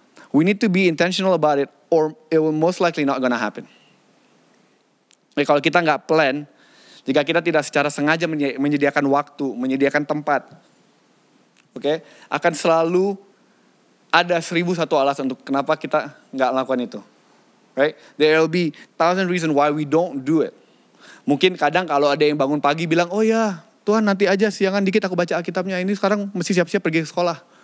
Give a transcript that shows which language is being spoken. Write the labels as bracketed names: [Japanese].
[English] We need to be intentional about it, or it will most likely not gonna happen. [Indonesian] Jadi kalau kita gak plan, jika kita tidak secara sengaja menyediakan waktu, menyediakan tempat, okay, akan selalu ada 1001 alasan untuk kenapa kita gak lakukan itu. Right? [English] There will be 1000 reasons why we don't do it. [Indonesian] Mungkin kadang kalau ada yang bangun pagi bilang, oh ya Tuhan nanti aja siangan dikit aku baca Alkitabnya, ini sekarang mesti siap-siap pergi ke sekolah.